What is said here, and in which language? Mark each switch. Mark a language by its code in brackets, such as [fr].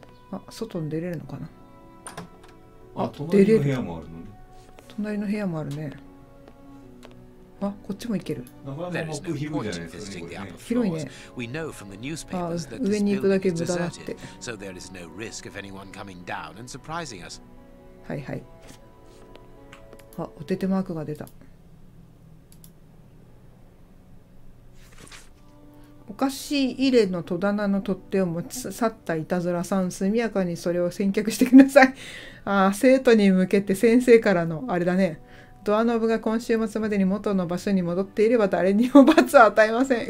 [ja] あ、外に出れるのかな。あ、隣の部屋もあるのね。隣の部屋もあるね。あ、こっちも行ける。なかなか奥広いじゃないですか、これね。広いね。あ、上に行くだけ無駄だって。 [en] So there is no risk of anyone coming down and surprising us. [ja] はいはい。あ、おててマークが出た。お菓子入れの戸棚の取っ手を持ち去ったいたずらさん、速やかにそれを先客してください。あ、生徒に向けて先生からのあれだね。ドアノブが今週末までに元の場所に戻っていれば誰にも罰は与えません。